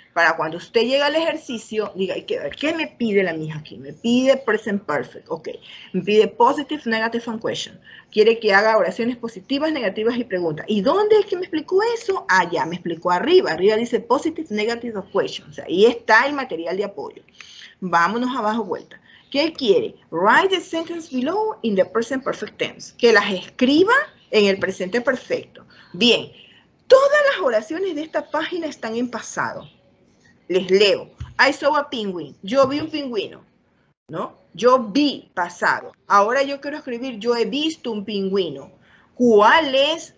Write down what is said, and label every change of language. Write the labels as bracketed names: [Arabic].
[Spanish] Para cuando usted llega al ejercicio, diga, hay que ver, ¿qué me pide la mija aquí? Me pide [English] present perfect, ok. Me pide positive, negative, and question. [Spanish] Quiere que haga oraciones positivas, negativas y preguntas. ¿Y dónde es que me explicó eso? Allá, me explicó arriba. Arriba dice [English] positive, negative, and question. [Spanish] O sea, ahí está el material de apoyo. Vámonos abajo, vuelta. ¿Qué quiere? [English] Write the sentence below in the present perfect tense. [Spanish] Que las escriba en el presente perfecto. Bien, todas las oraciones de esta página están en pasado. Les leo. [English] I saw a penguin. [Spanish] Yo vi un pingüino. ¿No? Yo vi pasado. Ahora yo quiero escribir yo he visto un pingüino. ¿Cuál es?